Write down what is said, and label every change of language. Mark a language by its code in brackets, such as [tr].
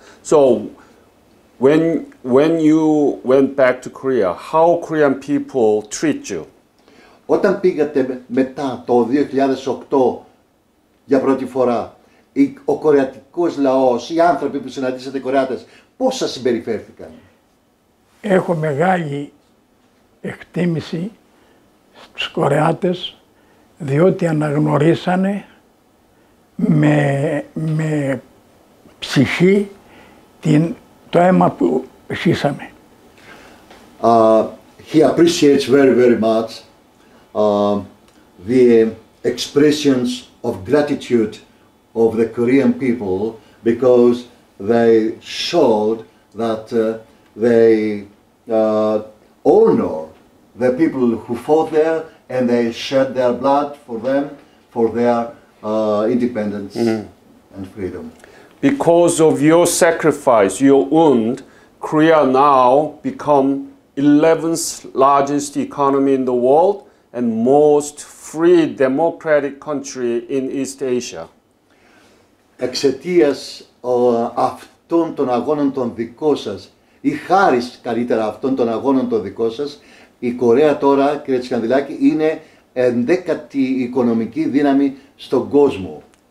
[en] So when you went back to Korea, how Korean people treat you? [el] Όταν πήγατε μετά το 2008 για πρώτη φορά, ο κορεατικός λαός, οι άνθρωποι που συναντήσατε Κορεάτες, πώς σας συμπεριφέρθηκαν? Έχω μεγάλη εκτίμηση στους Κορεάτες, διότι αναγνωρίσανε με ψυχή το αίμα που χύσαμε. [en] He appreciates very, very much the expressions of gratitude of the Korean people, because they showed that they honor the people who fought there and they shed their blood for them, for their independence mm-hmm. and freedom. Because of your sacrifice, your wound, Korea now become 11th largest economy in the world and most free democratic country in East Asia. [el] Εξαιτίας αυτών των αγώνων των δικών σας, ή χάρης καλύτερα αυτών των αγώνων των δικών σας, η Κορέα τώρα, κύριε Τσικανδυλάκη, είναι 11η οικονομική δύναμη στον κόσμο.